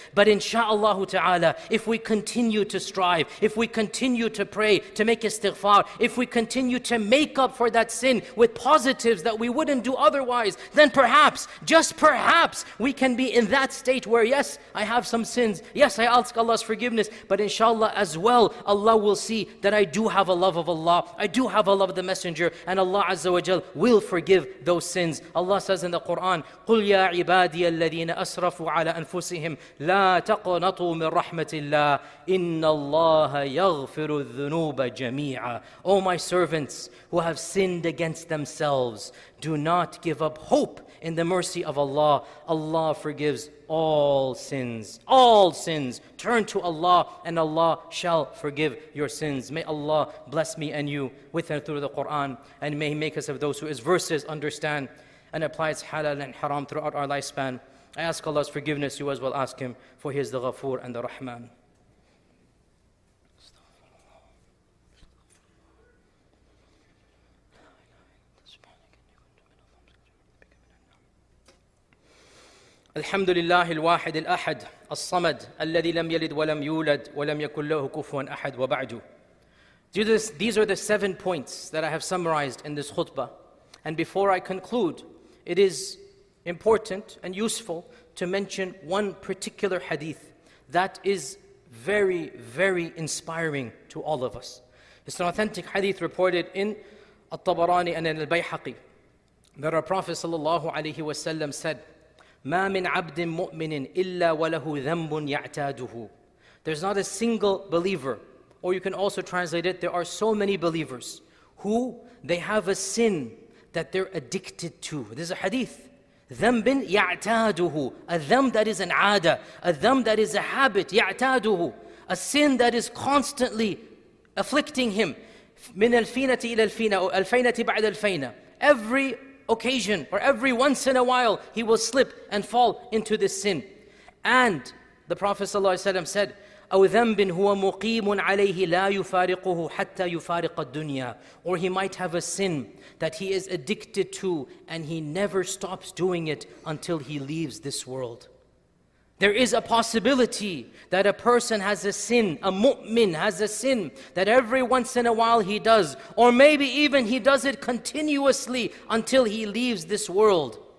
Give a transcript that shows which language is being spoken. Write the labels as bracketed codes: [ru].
[en] But insha'Allah ta'ala, if we continue to strive, if we continue to pray, to make istighfar, if we continue to make up for that sin with positives that we wouldn't do otherwise, then perhaps, just perhaps, we can be in that state where yes, I have some sins. Yes, I ask Allah's forgiveness, but inshallah as well, Allah will see that I do have a love of Allah. I do have a love of the Messenger, and Allah Azza wa Jal will forgive those sins. Allah says in the Quran, [ar] قُلْ يَا عِبَادِيَ الَّذِينَ أَسْرَفُوا عَلَىٰ أَنفُسِهِمْ لَا تَقْنَطُوا مِنْ رَحْمَةِ اللَّهِ إِنَّ اللَّهَ يَغْفِرُ الذُّنُوبَ جَمِيعًا. [en] O my servants who have sinned against themselves, do not give up hope in the mercy of Allah. Allah forgives all sins. All sins. Turn to Allah and Allah shall forgive your sins. May Allah bless me and you with and through the Quran, and may He make us of those who His verses understand and applies halal and haram throughout our lifespan. I ask Allah's forgiveness, you as well ask Him, for He is the Ghafoor and the Rahman. [ar] الحمد لله الواحد الأحد الصمد الذي لم يلد ولم يولد ولم يكن له كفوا أحد وبعد. [en] These are the 7 points that I have summarized in this khutbah. And before I conclude, it is important and useful to mention one particular hadith that is very, very inspiring to all of us. It's an authentic hadith reported in al-Tabarani and in al-Bayhaqi that our Prophet sallallahu alayhi wa sallam said, [ar] مَا مِنْ عَبْدٍ مُؤْمِنٍ إِلَّا وَلَهُ ذَنْبٌ يَعْتَادُهُ. [en] There's not a single believer, or you can also translate it, there are so many believers who they have a sin that they're addicted to. This is a hadith. [ar] ذَنْبٍ يَعْتَادُهُ. [en] A ذَنْب that is an عَادَة. A ذَنْب that is a habit. [ar] يَعْتَادُهُ. [en] A sin that is constantly afflicting him. [ar] مِنْ الْفِينَةِ إِلَى الْفِينَةِ أو الْفَيْنَةِ بَعْدَ الْفَيْنَةِ. [en] Every occasion or every once in a while he will slip and fall into this sin. And the Prophet ﷺ said, [ar] أَوْ ذَنْبٍ هُوَ مُقِيمٌ عَلَيْهِ لَا يُفَارِقُهُ حَتَّى يُفَارِقَ الدُّنْيَا. [en] Or he might have a sin that he is addicted to and he never stops doing it until he leaves this world. There is a possibility that a person has a sin, a mu'min has a sin that every once in a while he does, or maybe even he does it continuously until he leaves this world.